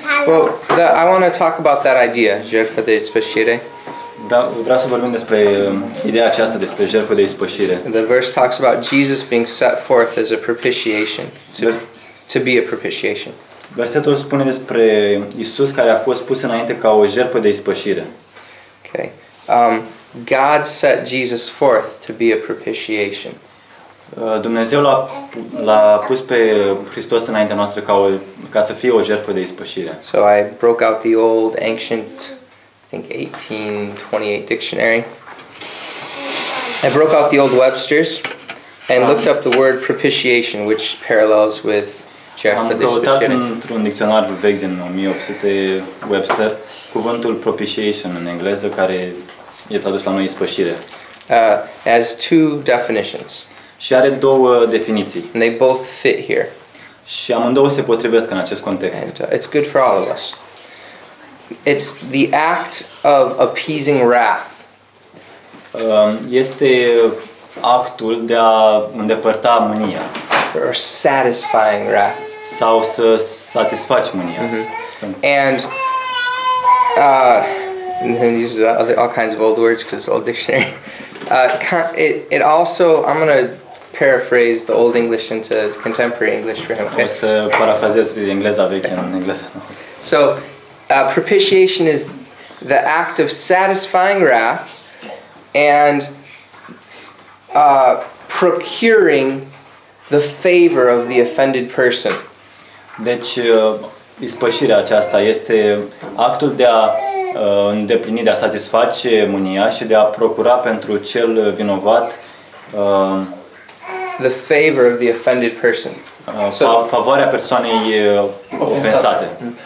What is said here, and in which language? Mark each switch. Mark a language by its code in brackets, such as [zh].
[en] Well, I want to talk about that idea, jertfă de ispășire. [ro] Vreau să vorbim despre ideea aceasta despre jertfă de ispășire. [en] The verse talks about Jesus being set forth as a propitiation, to be a propitiation. [ro] Versetul spune despre Isus care a fost pus înainte ca o jertfă de ispășire. [en] Okay. God set Jesus forth to be a propitiation. [ro] Dumnezeu l-a pus pe Hristos înaintea noastră ca să fie o jertfă de ispășire. [en] So I broke out the old ancient, I think 1828 dictionary. I broke out the old Webster's and looked up the word propitiation, which parallels with jertfă de ispășire. [ro] Am căutat într-un dicționar vechi din 1800 Webster cuvântul propitiation în engleză, care e tradus la noi ispășire. [en] As two definitions. [ro] Și are două definiții. [en] And they both fit here. [ro] Și amândouă se potrivesc în acest context. [en] And, it's good for all of us. It's the act of appeasing wrath. [ro] Este actul de a îndepărta mânia. [en] Or satisfying wrath. [ro] Sau să satisfaci mânia. Mm-hmm. [en] And then use all kinds of old words because it's old dictionary. It also, I'm going to paraphrase the old English into contemporary English for him. Okay? [ro] O să parafrazez engleza veche în engleză. [en] So, propitiation is the act of satisfying wrath and procuring the favor of the offended person. [ro] Deci, ispășirea aceasta este actul de a îndeplini, de a satisface mânia și de a procura pentru cel vinovat [en] the favor of the offended person. [ro] Favoarea persoanei ofensate.